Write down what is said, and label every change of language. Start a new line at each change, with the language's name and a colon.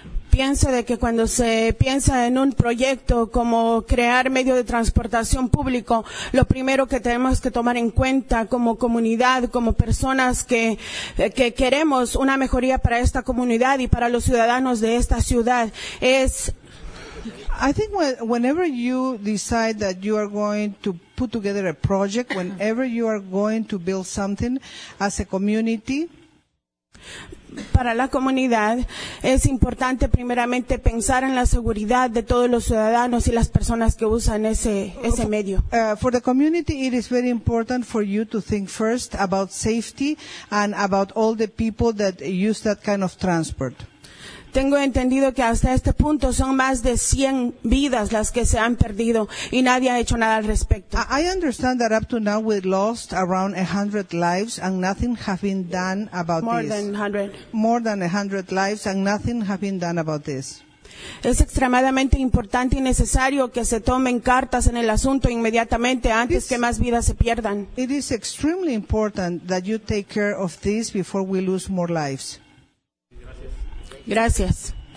Spanish: Pienso de que cuando se piensa en un proyecto como crear medio de transportación público, lo primero que tenemos que tomar en cuenta como comunidad, como personas que queremos una mejoría para esta comunidad y para los ciudadanos de esta ciudad es...
English: I think whenever you decide that you are going to put together a project, whenever you are going to build something as a community...
Spanish: Para la comunidad es importante primeramente pensar en la seguridad de todos los ciudadanos y las personas que usan ese medio.
English: For the community, it is very important for you to think first about safety and about all the people that use that kind of transport.
Spanish: tengo entendido que hasta este punto son más de 100 vidas las que se han perdido y nadie ha hecho nada al respecto.
English: I understand that up to now we lost around 100 lives and nothing has been done about More this. Than 100. More than 100 lives and nothing has been done about this.
Spanish: Es extremadamente importante y necesario que se tomen cartas en el asunto inmediatamente antes que más vidas se pierdan.
English: It is extremely important that you take care of this before we lose more lives.
Spanish: Gracias.